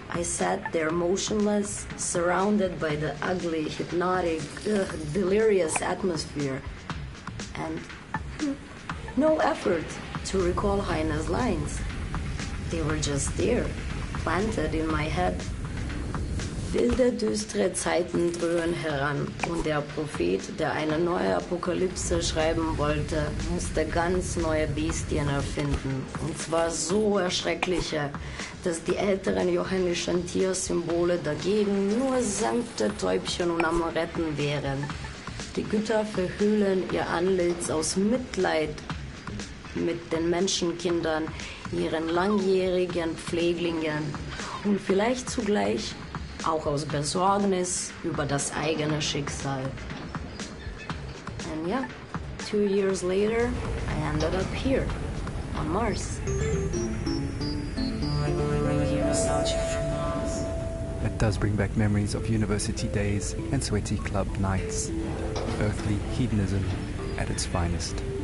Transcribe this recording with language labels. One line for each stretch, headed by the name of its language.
English: I sat there motionless, surrounded by the ugly, hypnotic, delirious atmosphere. And no effort to recall Heine's lines. They were just there, planted in my head.
German: Wilde, düstere Zeiten drühen heran und der Prophet, der eine neue Apokalypse schreiben wollte, musste ganz neue Bestien erfinden. Und zwar so erschreckliche, dass die älteren johannischen Tiersymbole dagegen nur sanfte Täubchen und Amoretten wären. Die Götter verhüllen ihr Antlitz aus Mitleid mit den Menschenkindern, ihren langjährigen Pfleglingen und vielleicht zugleich auch aus Besorgnis über das eigene Schicksal.
English: And yeah, 2 years later, I ended up here, on Mars. A does bring back memories of university days and sweaty club nights. Earthly hedonism at its finest.